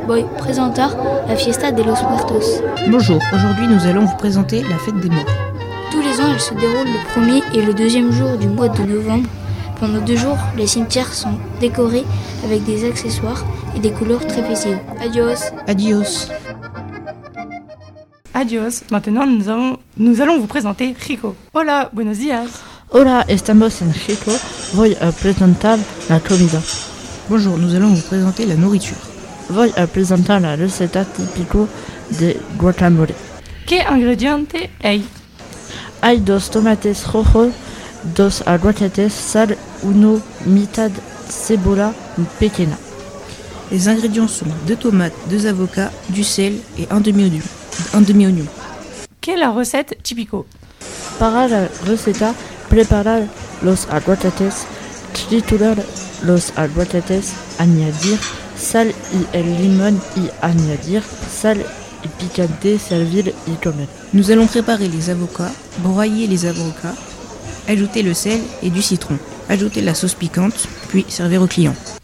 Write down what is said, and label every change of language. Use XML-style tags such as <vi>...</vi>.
<es>Voy a presentar la fiesta de los muertos.</es> <fr>Bonjour! Aujourd'hui, nous allons vous présenter la fête des morts. Tous les ans, elle se déroule le premier et le deuxième jour du mois de novembre. Pendant deux jours, les cimetières sont décorés avec des accessoires et des couleurs très festives.</fr> <es>Adios! Adios!</es> <fr>Adios, maintenant nous allons vous présenter Rico.</fr> <es>Hola, buenos días. Hola, estamos en Rico. Voy a presentar la comida.</es> <fr>Bonjour, nous allons vous présenter la nourriture.</fr> <es>Voy a presentar la receta típico de guacamole. ¿Qué ingrediente hay? Hay dos tomates rojos, dos aguacates, sal, uno mitad cebolla pequeña.</es> <fr>Les ingrédients sont deux tomates, deux avocats, du sel et un demi-oignon. Quelle est la recette typico?</fr> <es>Para la receta, preparar los aguacates, triturar los aguacates, añadir sal y el limón y añadir sal y picante, servir y comer.</es> <fr>Nous allons préparer les avocats, broyer les avocats, ajouter le sel et du citron, ajouter la sauce piquante, puis servir au client.</fr>